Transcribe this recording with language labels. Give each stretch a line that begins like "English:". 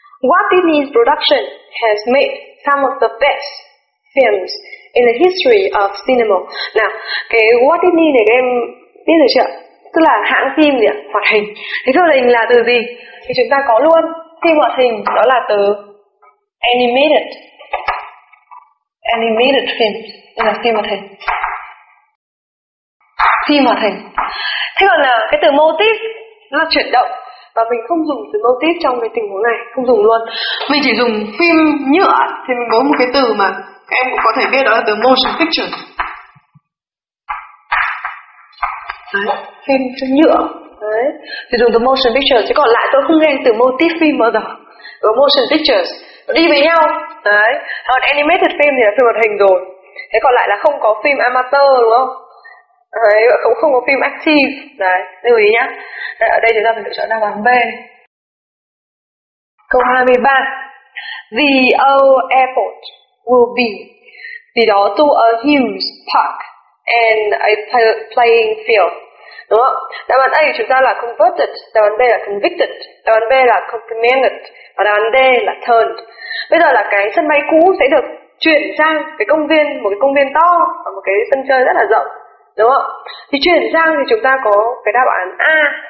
English: What Disney's production has made some of the best films in the history of cinema.
Vietnamese: Nào, cái What Disney này các em biết rồi chưa? Tức là hãng phim gì ạ? Hoạt hình. Thế hoạt hình là từ gì? Thì chúng ta có luôn phim hoạt hình, đó là từ animated. Animated film, đây là phim hoạt hình. Phim hoạt hình. Thế còn là cái từ motif, nó là chuyển động. Và mình không dùng từ motif trong cái tình huống này, không dùng luôn. Mình chỉ dùng phim nhựa thì mình có một cái từ mà các em cũng có thể biết, đó là từ motion picture. Đấy, phim nhựa. Đấy, thì dùng từ motion picture. Chứ còn lại tôi không nghe từ motif phim bao giờ. Và motion pictures đi với nhau. Đấy, còn animated phim thì là phim hoạt hình rồi. Thế còn lại là không có phim amateur đúng không? Đấy, cũng không có phim active. Đấy, lưu ý nhá. Đấy, ở đây chúng ta phải lựa chọn đáp án B. Câu 23.
English: The old airport will be be to a huge park and a playing field.
Vietnamese: đúng không? Đáp án A của chúng ta là converted, đáp án B là convicted, đáp án B là complemented và đáp án D là turned. Bây giờ là cái sân bay cũ sẽ được chuyển sang cái công viên, một cái công viên to và một cái sân chơi rất là rộng, đúng không? Thì chuyển sang thì chúng ta có cái đáp án A,